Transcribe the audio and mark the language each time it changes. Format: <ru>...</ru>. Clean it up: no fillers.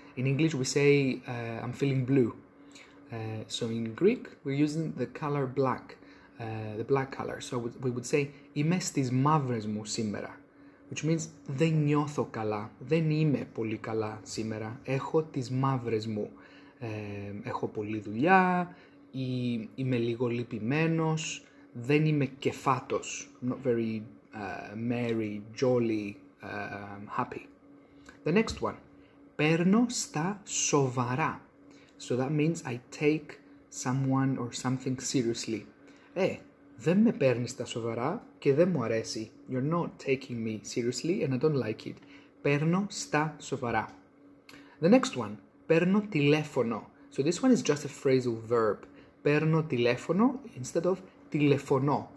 <en>In English, we say, I'm feeling blue. So, in Greek, we're using the color black, the black color.</en> <el>So, we would say, είμαι στις μαύρες μου σήμερα. Which means δεν νιώθω καλά, δεν είμαι πολύ καλά σήμερα, έχω τις μαύρες μου. Έχω πολλή δουλειά ή είμαι λίγο λυπημένος, δεν είμαι κεφάτος.</el> <en>I'm not very merry, jolly, happy. The next one. Παίρνω στα σοβαρά. So that means I take someone or something seriously.</en> <el>Δεν με παίρνεις τα σοβαρά και δεν μου αρέσει.</el> <en>You're not taking me seriously and I don't like it. Παίρνω στα σοβαρά. The next one. Παίρνω τηλέφωνο. So this one is just a phrasal verb.</en> <el>Παίρνω τηλέφωνο instead of τηλεφωνώ.</el>